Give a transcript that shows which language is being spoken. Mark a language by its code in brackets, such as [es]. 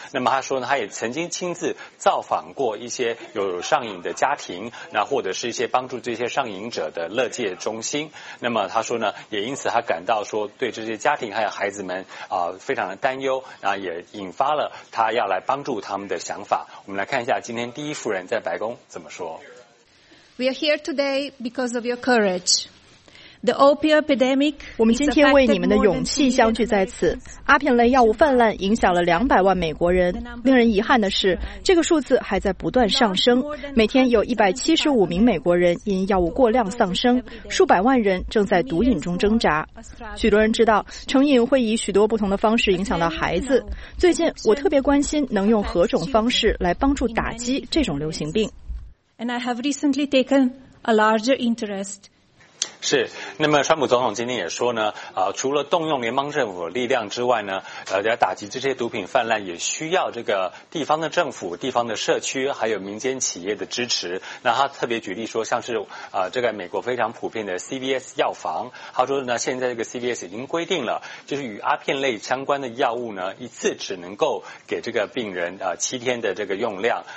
[zh] 那么他说呢，他也曾经亲自造访过一些有上瘾的家庭，那或者是一些帮助这些上瘾者的乐戒中心。那么他说呢，也因此他感到说对这些家庭还有孩子们非常的担忧，那也引发了他要来帮助他们的想法。我们来看一下今天第一夫人在白宫怎么说。 [en] We are here today because of your courage. The opioid epidemic. [zh] 我们今天为你们的勇气相聚在此。阿片类药物泛滥影响了200万美国人。令人遗憾的是，这个数字还在不断上升。每天有175名美国人因药物过量丧生，数百万人正在毒瘾中挣扎。许多人知道，成瘾会以许多不同的方式影响到孩子。最近，我特别关心能用何种方式来帮助打击这种流行病。 [en] And I have recently taken a larger interest. [zh] 是，那么川普总统今天也说呢，除了动用联邦政府力量之外呢，要打击这些毒品泛滥，也需要这个地方的政府、地方的社区还有民间企业的支持。那他特别举例说，像是这个美国非常普遍的 CVS 药房，他说呢，现在这个 CVS 已经规定了，就是与阿片类相关的药物呢，一次只能够给这个病人七天的这个用量。